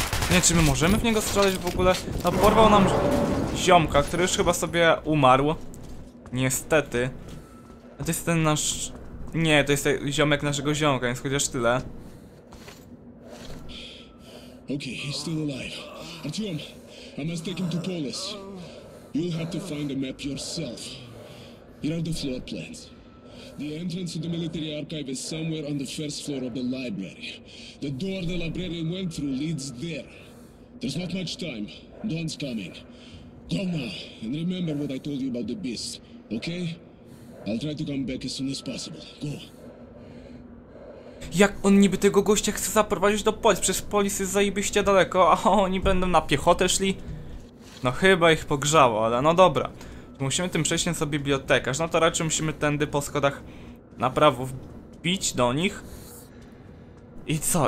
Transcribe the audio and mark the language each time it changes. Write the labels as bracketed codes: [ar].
[pl] Nie, czy my możemy w niego strzelać w ogóle? No, porwał nam ziomka, który już chyba sobie umarł. Niestety. A to jest ten nasz... Nie, to jest ziomek naszego ziomka, więc chociaż tyle. [en] Okej, okay, he's still alive. Artyom, I must take him to Polis. You'll have to find a map yourself. Here are the floor plans. The entrance to the military archive is somewhere on the first floor of the library. The door the librarian went through leads there. There's not much time. Dawn's coming. Go now, and remember what I told you about the beast, okay? I'll try to come back as soon as possible. Go. [pl] Jak on niby tego gościa chce zaprowadzić do Polis? Przez Polis jest zajebiście daleko, a oni będą na piechotę szli? No chyba ich pogrzało, ale no dobra. Musimy tym przejść co bibliotekarz. No to raczej musimy tędy po schodach na prawo wbić do nich. I co?